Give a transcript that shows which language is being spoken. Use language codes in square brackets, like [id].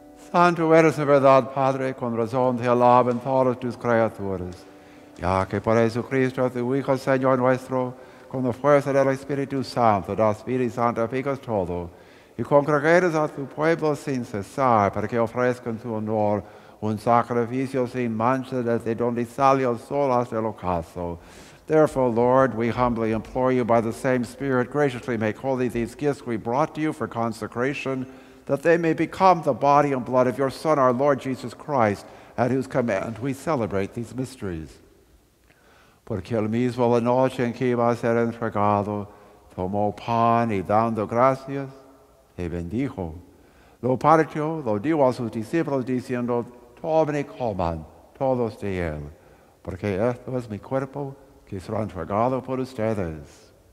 [es] Santo eres en verdad, Padre, con razón te alaban todas tus criaturas, ya que por Jesucristo, tu Hijo, Señor nuestro, con la fuerza del Espíritu Santo, das vida y santificas todo, y congregas a tu pueblo sin cesar, para que ofrezcan tu honor un sacrificio sin mancha desde donde sale el sol hasta el ocaso. [en] Therefore, Lord, we humbly implore you by the same Spirit, graciously make holy these gifts we brought to you for consecration, that they may become the body and blood of your Son, our Lord Jesus Christ, at whose command we celebrate these mysteries. [es] Porque el mismo la noche en que iba a ser entregado, tomó pan y dando gracias, te bendijo. Lo partió, lo dio a sus discípulos diciendo, tomen y coman todos de él, porque esto es mi cuerpo que será entregado por ustedes.